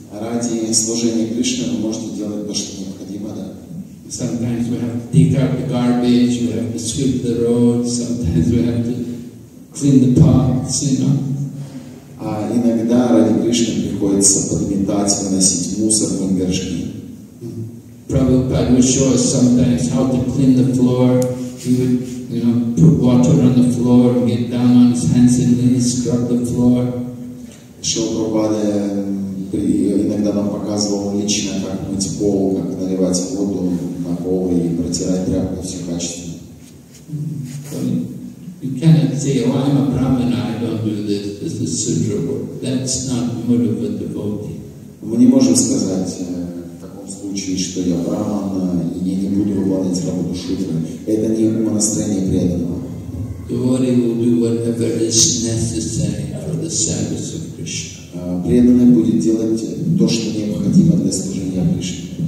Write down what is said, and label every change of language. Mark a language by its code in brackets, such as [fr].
[ru] Ради служения Кришне вы можете делать то, что необходимо, да. [en] Sometimes we have to take out the garbage, we have to sweep the road, sometimes we have to clean the paths, you know. [ru] А иногда ради Кришны приходится подметать, выносить мусор, мыть горшки. [en] Prabhupada would show us sometimes how to clean the floor. He would, you know, put water on the floor, get down on his hands and knees, scrub the floor. [ru] Шрила Прабхупада иногда нам показывал лично, как мыть пол, как наливать воду на пол и протирать тряпку все качественно. [en] You cannot say, oh, I'm a brahmana, I don't do this, this is sutra work. That's not mood of a devotee. [ru] Мы не можем сказать в таком случае, что я браман, и я не буду выполнять работу шутра. Это не его настроение преданного. [en] Devotee will do whatever is necessary for the service of Krishna. [ru] Преданный будет делать то, что необходимо для служения Кришне.